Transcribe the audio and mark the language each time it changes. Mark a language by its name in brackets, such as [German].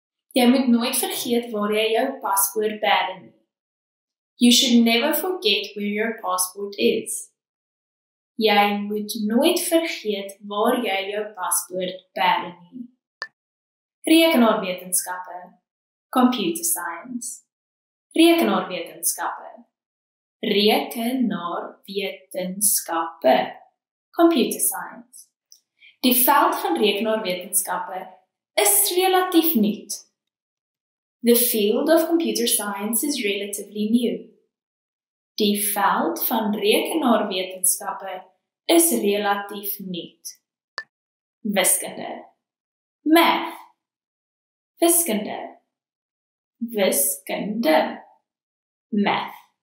[Afrikaans] Jy moet nooit vergeet waar jy jou paspoort bera nie. [English] You should never forget where your passport is. [Afrikaans] Jy moet nooit vergeet waar jy jou paspoort bera nie. [English] Rekenaarwetenskappe, computer science. [Afrikaans] Rekenaarwetenskappe, rekenaarwetenskappe, [English] computer science. [Afrikaans] Die veld van rekenaarwetenskappe is relatief nuut. [English] The field of computer science is relatively new. [Afrikaans] Die veld van rekenaarwetenskappe is relatief nuut. Wiskunde, math. Wiskunde, wiskunde, math.